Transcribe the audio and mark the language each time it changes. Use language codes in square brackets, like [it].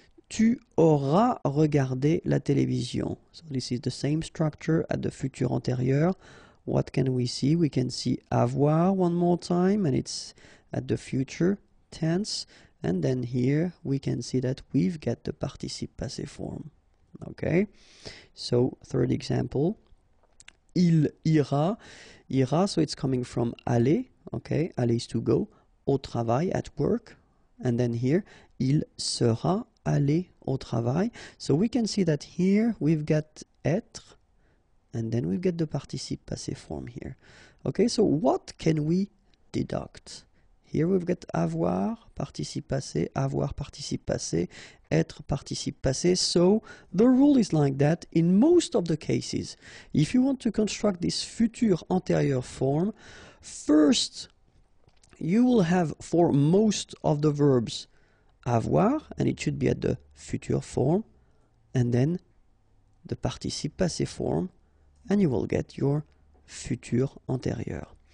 [fr] Tu auras regardé la télévision. [en] So this is the same structure at the futur antérieur. What can we see? We can see avoir one more time, and it's at the future tense. And then here we can see that we've got the participe passé form. Okay. So third example, [fr] il ira. [en] Ira, so it's coming from aller. Okay. Aller is to go. [fr] Au travail, [en] at work. And then here, [fr] il sera aller au travail. [en] So we can see that here we've got être, and then we've got the participe passé form here. Okay, so what can we deduct Here we've got avoir, participe passé, avoir, participe passé, être, participe passé. So the rule is like that in most of the cases. If you want to construct this future anterior form, first you will have for most of the verbs avoir, and it should be at the future form, and then the participe passé form, and you will get your futur antérieur.